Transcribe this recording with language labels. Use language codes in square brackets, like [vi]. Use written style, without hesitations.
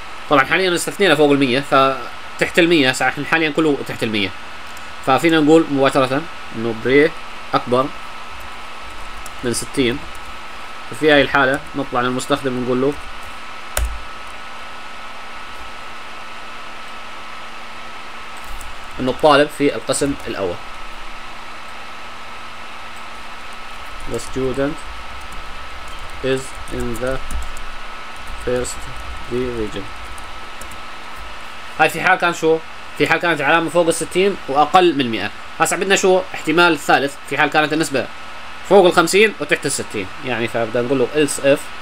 [ar] طبعا حاليا استثنينا فوق المية، فتحت المية احنا حاليا كله تحت المية، ففينا نقول مباشرة انه بري اكبر من 60. وفي هاي الحالة نطلع للمستخدم نقول له انه الطالب في القسم الاول. [en] The student is in the first division. [ar] هاي في حال كان شو؟ في حال كانت علامة فوق الستين واقل من مئة. هسا عندنا شو؟ احتمال الثالث في حال كانت النسبة فوق الخمسين وتحت الستين. يعني فبدنا نقول له else if.